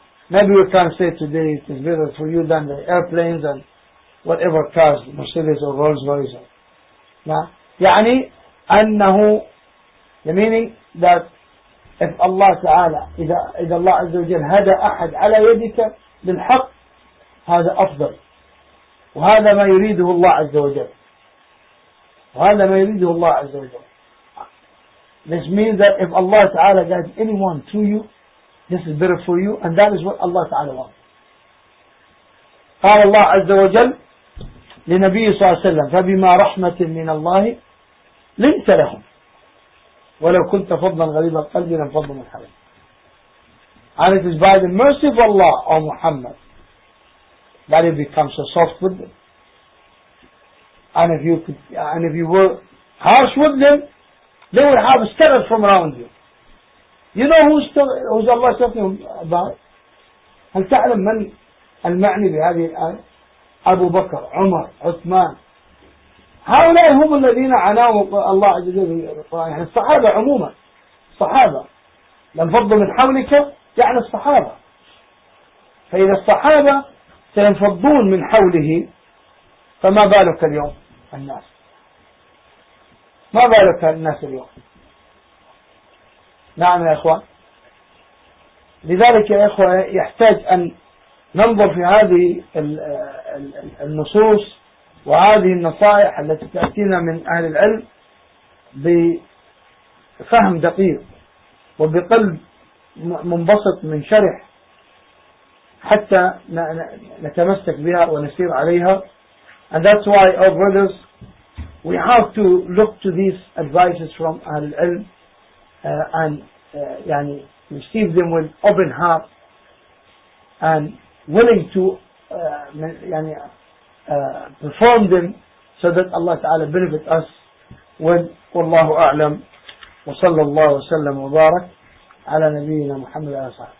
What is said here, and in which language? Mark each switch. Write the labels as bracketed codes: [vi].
[en] Maybe we can say today it is better for you than the airplanes and whatever cars, Mercedes or Rolls Royce. [ar] يعني أنه [en] the meaning that if [ar] Allah تعالى إذا الله عز وجل هدى أحد على يدك بالحق هذا أفضل. وهذا ما يريده الله عز وجل. وهذا ما يريده الله عز وجل. [en] This means that if Allah Ta'ala guides anyone to you, this is better for you, and that is what Allah Ta'ala wants. [ar] قال الله عز وجل لنبي صلى الله عليه وسلم فبما رحمة من الله لنت لهم ولو كنت فضلا غليظ القلب لانفضوا من حولك. [en] And it is by the mercy of Allah, O Muhammad, that it becomes a soft with them. And if you could, and if you were harsh with them, they would have scattered from around you. You know who's Allah talking about? [ar] هل تعلم من المعني بهذه الآية؟ أبو بكر، عمر، عثمان. هؤلاء هم الذين عناهم الله عز وجل في القرآن. الصحابة عموما. صحابة. لم فضوا من حولك يعني الصحابة. فإذا الصحابة سينفضون من حوله فما بالك اليوم الناس؟ ما بالك الناس اليوم؟ نعم يا أخوان. لذلك يا أخوان يحتاج أن ننظر في هذه النصوص وهذه النصائح التي تأتينا من أهل العلم بفهم دقيق وبقلب منبسط من شرح حتى نتمسك بها ونسير عليها. [en] And that's why our brothers, we have to look to these advices from Ahl al-Ilm and يعني receive them with open heart and willing to يعني perform them so that Allah Ta'ala benefit us. [ar] والله أعلم. وصلى الله وسلم وبارك على نبينا محمد عليه الصلاة والسلام.